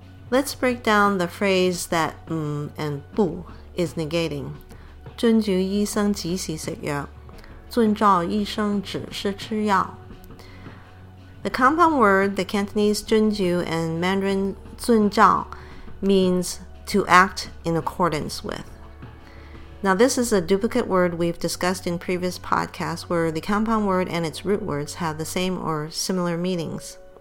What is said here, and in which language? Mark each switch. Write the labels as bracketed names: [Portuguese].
[English] Let's break down the phrase that 嗯 and 不 is negating. [Chinese] 遵照医生指示吃药，遵照医生指示吃药。 [English] The compound word, the Cantonese 遵照 and Mandarin 遵照, means to act in accordance with. Now this is a duplicate word we've discussed in previous podcasts where the compound word and its root words have the same or similar meanings.